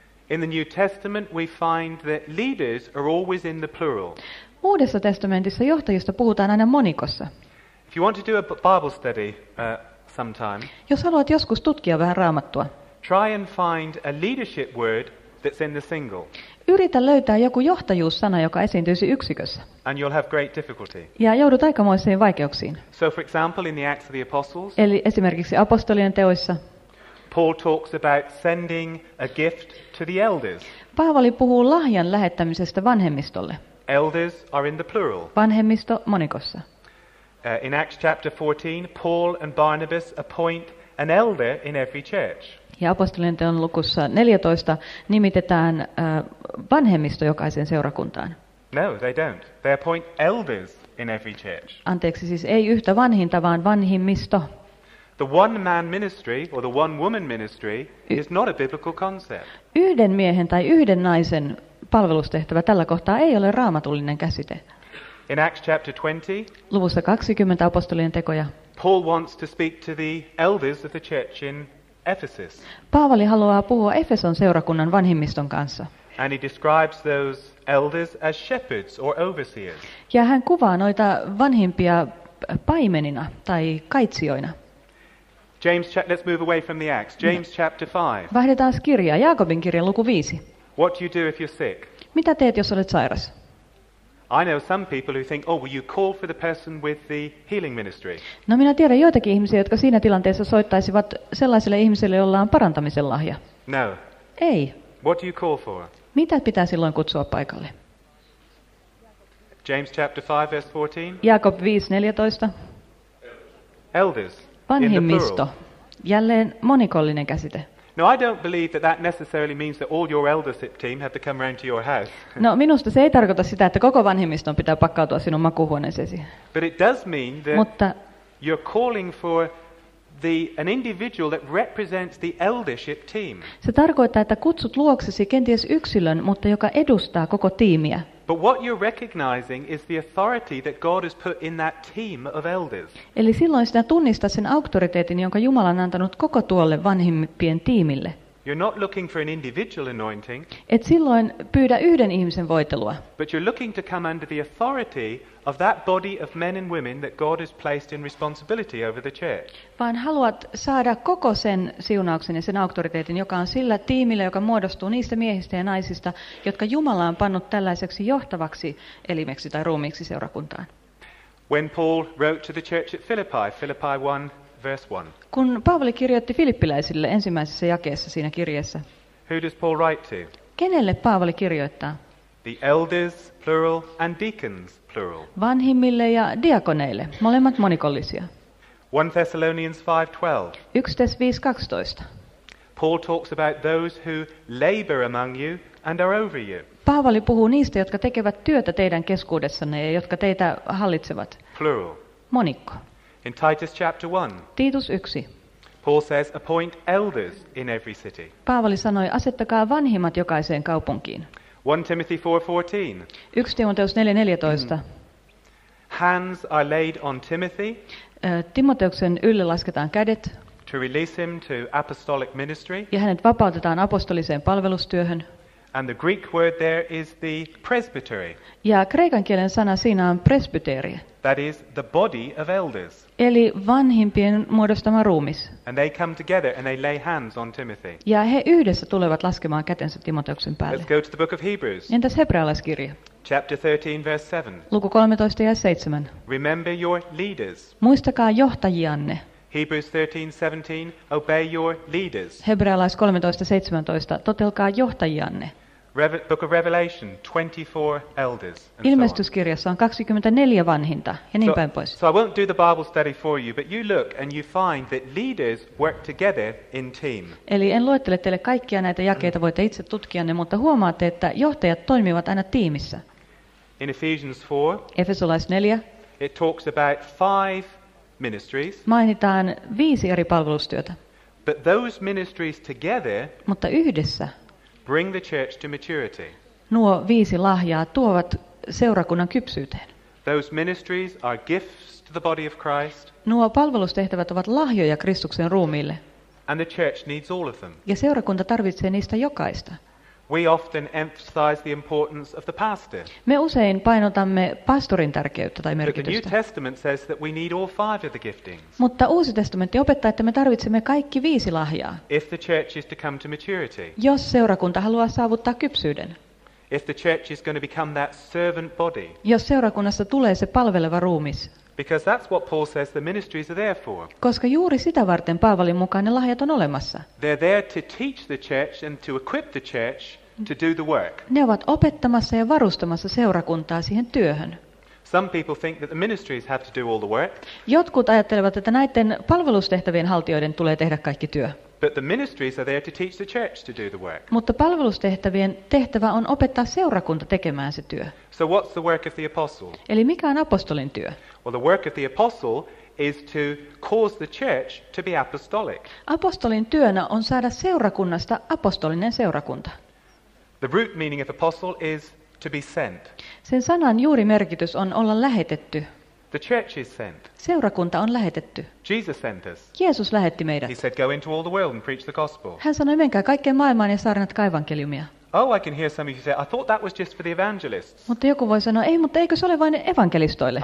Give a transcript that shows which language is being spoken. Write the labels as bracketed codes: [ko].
[en] In the New Testament we find that leaders are always in the plural. [fi] Uudessa testamentissa johtajista puhutaan aina monikossa. [en] If you want to do a Bible study sometime. [fi] Jos haluat joskus tutkia vähän Raamattua. [en] Try and find a leadership word that's in the single. [fi] Yritä löytää joku johtajuussana, joka esiintyisi yksikössä. [en] And you'll have great difficulty. [fi] Ja joudut aikamoisiin vaikeuksiin. [en] So for example in the Acts of the Apostles. [fi] Eli esimerkiksi apostolien teoissa. [en] Paul talks about sending a gift to the elders. [fi] Paavali puhuu lahjan lähettämisestä vanhemmistolle. [en] Elders are in the plural. [fi] Vanhemmisto monikossa. [en] In Acts chapter 14, Paul and Barnabas appoint an elder in every church. [fi] Ja apostolien teon lukussa 14 nimitetään vanhemmisto jokaisen seurakuntaan. [en] No, they don't. They appoint elders in every church. [fi] Anteeksi, siis ei yhtä vanhinta, vaan vanhimmisto. [en] The one man ministry or the one woman ministry is not a biblical concept. [fi] Yhden miehen tai yhden naisen palvelustehtävä tällä kohtaa ei ole raamatullinen käsite. [en] In Acts chapter 20, [fi] luvussa 20 apostolien tekoja. [en] Paul wants to speak to the elders of the church in Ephesus. [fi] Paavali haluaa puhua Efeson seurakunnan vanhimmiston kanssa. [en] And he describes those elders as shepherds or overseers. [fi] Ja hän kuvaa noita vanhimpia paimenina tai kaitsijoina. [en] James, let's move away from the Acts. James chapter 5. [fi] Vaihdetaan kirjaa, Jaakobin kirjan luku 5. [en] What do you do if you're sick? [fi] Mitä teet, jos olet sairas? [en] I know some people who think, oh, will you call for the person with the healing ministry? [fi] No, minä tiedän joitakin ihmisiä, jotka siinä tilanteessa soittaisivat sellaiselle ihmiselle, jolla on parantamisen lahja. [en] No. [fi] Ei. [en] What do you call for? [fi] Mitä pitää silloin kutsua paikalle? [en] James chapter 5 verse 14. [fi] Jaakob 5:14. [en] Elders. [fi] Vanhimmisto. Jälleen monikollinen käsite. [en] No, I don't believe that that necessarily means that all your eldership team have to come round to your house. [fi] No, minusta se ei tarkoita sitä, että koko vanhimmiston pitää pakkautua sinun makuuhuoneeseesi. [en] But it does mean that you're calling for an individual that represents the eldership team. [fi] Se tarkoittaa, että kutsut luoksesi kenties yksilön, mutta joka edustaa koko tiimiä. [en] But what you're recognizing is the authority that God has put in that team of elders. [fi] Eli silloin sinä tunnistat sen auktoriteetin, jonka Jumala on antanut koko tuolle vanhimpien tiimille. [en] You're not looking for an individual anointing. [fi] Et silloin pyydä yhden ihmisen voitelua. [en] But you're looking to come under the authority of that body of men and women that God has placed in responsibility over the church. [fi] Vaan haluat saada koko sen siunauksen ja sen auktoriteetin, joka on sillä tiimillä, joka muodostuu niistä miehistä ja naisista, jotka Jumala on pannut tällaiseksi johtavaksi elimeksi tai ruumiiksi seurakuntaan. [en] When Paul wrote to the church at Philippi, Philippi 1 verse 1. [fi] Kun Paavali kirjoitti filippiläisille ensimmäisessä jakeessa siinä kirjeessä. [en] Who does Paul write to? [fi] Kenelle Paavali kirjoittaa? [en] The elders, plural, and deacons, plural. [fi] Vanhimmille ja diakoneille, molemmat monikollisia. [en] 1 Thessalonians 5:12. [fi] 1 Thess. 5:12. [en] Paul talks about those who labor among you and are over you. [fi] Paavali puhuu niistä, jotka tekevät työtä teidän keskuudessanne ja jotka teitä hallitsevat. [en] Plural. [fi] Monikko. [en] In Titus chapter 1. [fi] Titus 1. [en] Paul says appoint elders in every city. [fi] Paavali sanoi asettakaa vanhimmat jokaiseen kaupunkiin. [en] 1 Timothy 4:14. [fi] 1 Timoteus 4:14. [en] Hands are laid on Timothy. [fi] Timoteuksen ylle lasketaan kädet. [en] To release him to apostolic ministry. [fi] Ja hänet vapautetaan apostoliseen palvelustyöhön. [en] And the Greek word there is the presbytery. [fi] Ja kreikan kielen sana siinä on presbyteri. [en] That is the body of elders. [fi] Eli vanhimpien muodostama ruumis. [en] And they come together and they lay hands on Timothy. [fi] Ja he yhdessä tulevat laskemaan kätensä Timoteuksen päälle. [en] Let's go to the book of Hebrews. [fi] Entäs hebrealaiskirja? [en] Chapter 13 verse 7. [fi] Luku 13 ja 7. [en] Remember your leaders. [fi] Muistakaa johtajianne. [en] Hebrews 13:17. Obey your leaders. [fi] Hebrealais 13:17. Toteutkaa johtajianne. [en] Book of Revelation 24 elders. [fi] Ilmestyskirjassa on 24 vanhinta ja niin päin pois. [en] So I won't do the Bible study for you, but you look and you find that leaders work together in team. [fi] Eli en luettele teille kaikkia näitä jakeita, voitte itse tutkia ne, mutta huomaatte, että johtajat toimivat aina tiimissä. [en] In Ephesians 4. [fi] Efesolais 4. [en] It talks about 5 ministries. [fi] Mainitaan 5 eri palvelustyötä. [en] But those ministries together. [fi] Mutta yhdessä. [en] Bring the church to maturity. [fi] Nuo 5 lahjaa tuovat seurakunnan kypsyyteen. [en] Those ministries are gifts to the body of Christ. [fi] Nuo palvelustehtävät ovat lahjoja Kristuksen ruumiille. [en] And the church needs all of them. [fi] Ja seurakunta tarvitsee niistä jokaista. [en] We often emphasize the importance of the pastor. [fi] Me usein painotamme pastorin tärkeyttä tai merkitystä. [en] But the New Testament says that we need all 5 of the giftings. [fi] Mutta Uusi testamentti opettaa, että me tarvitsemme kaikki 5 lahjaa. [en] If the church is to come to maturity. [fi] Jos seurakunta haluaa saavuttaa kypsyyden. [en] If the church is going to become that servant body. [fi] Jos seurakunnassa tulee se palveleva ruumis. [en] Because that's what Paul says the ministries are there for. [fi] Koska juuri sitä varten Paavalin mukaan ne lahjat on olemassa. [en] They're there to teach the church and to equip the church to do the work. [fi] Ne ovat opettamassa ja varustamassa seurakuntaa siihen työhön. [en] Some people think that the ministries have to do all the work. [fi] Jotkut ajattelevat, että näiden palvelustehtävien haltijoiden tulee tehdä kaikki työ. [en] But the ministries are there to teach the church to do the work. [fi] Mutta palvelustehtävien tehtävä on opettaa seurakunta tekemään se työ. [en] So what's the work of the apostle? [fi] Eli mikä on apostolin työ? [en] Well, the work of the apostle is to cause the church to be apostolic. [fi] Apostolin työnä on saada seurakunnasta apostolinen seurakunta. [en] The root meaning of apostle is to be sent. [fi] Sen sanan juuri merkitys on olla lähetetty. [en] The church is sent. [fi] Seurakunta on lähetetty. [en] Jesus sent us. [fi] Jeesus lähetti meidät. [en] He said, "Go into all the world and preach the gospel." [fi] Hän sanoi, menkää kaikkeen maailmaan ja saarnatkaa evankeliumia. [en] Oh, I can hear some of you say, "I thought that was just for the evangelists." [fi] Mutta joku voi sanoa, ei, mutta eikö se ole vain evankelistoille?